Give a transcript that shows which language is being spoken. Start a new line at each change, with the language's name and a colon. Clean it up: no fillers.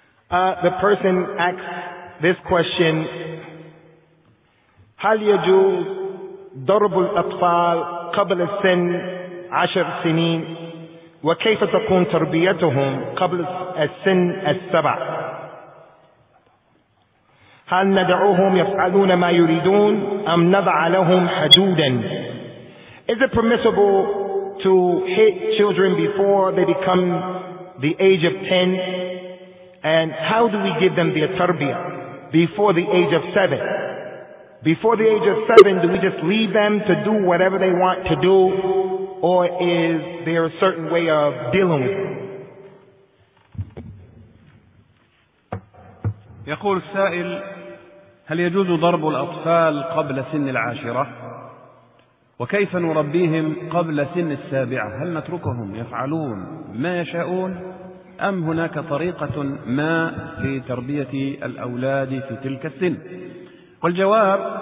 English: The person asks this question,
Arabic: هل يجوز ضرب الأطفال قبل السن عشر سنين وكيف تكون تربيتهم قبل السن السبع؟ هل ندعوهم يفعلون ما يريدون أم نضع لهم حدودا؟
English: Is it permissible to hit children before they become the age of 10? And how do we give them their tarbiyah before the age of 7? Before the age of 7, do we just leave them to do whatever they want to do? Or is there a certain way of dealing with them?
Arabic: يقول السائل هل يجوز ضرب الأطفال قبل سن العاشرة؟ وكيف نربيهم قبل سن السابعة؟ هل نتركهم يفعلون ما يشاءون؟ أم هناك طريقة ما في تربية الأولاد في تلك السن؟ والجواب